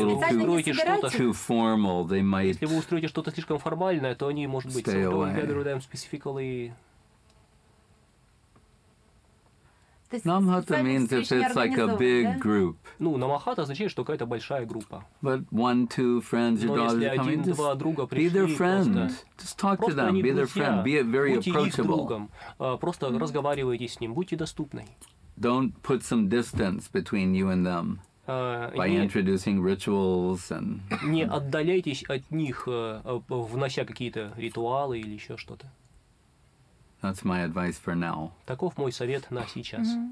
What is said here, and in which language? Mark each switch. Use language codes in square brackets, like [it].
[en] a little too formal, they might [ru] если вы устроите что-то слишком формальное, то они, может быть, [en] stay away. Together with them specifically. Намахата means if it's like a big group. [ru] Ну, намахата означает, что какая-то большая группа. [en] But one, two friends, your daughter coming, just be their friend. Just talk to them, be their friend, be very approachable. [ru] Просто разговаривайте с ним, будьте доступны. [en] Don't put some distance between you and them by introducing rituals and. [ru] Не отдаляйтесь от них, внося какие-то ритуалы или еще что-то. [en] That's my advice for now. [ru] Таков мой совет на сейчас.